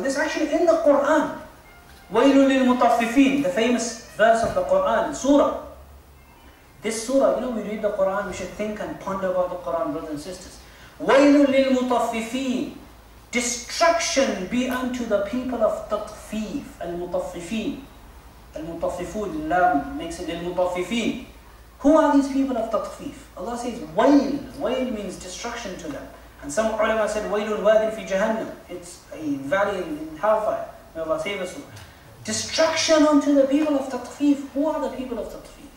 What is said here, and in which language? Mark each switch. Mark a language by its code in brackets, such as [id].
[en] This is actually in the Quran. [ar] وَيْلٌ لِلْمُطَفِّفِينَ, [en] the famous verse of the Quran, Surah. This Surah, you know, we read the Quran, we should think and ponder about the Quran, brothers and sisters. [ar] وَيْلٌ لِلْمُطَفِّفِينَ, [en] destruction be unto the people of تَطْفِيف, الْمُطَفِّفِينَ. [ar] الْمُطَفِّفُونَ, لَمْ, makes it لِلْمُطَفِّفِينَ. [en] Who are these people of Tatfif? Allah says, Wail. Wail means destruction to them. And some ulama said, [ar] Wailul wadin fi jahannam. [en] It's a valley in hellfire. May Allah save us. Destruction unto the people of Tatfif. Who are the people of Tatfif?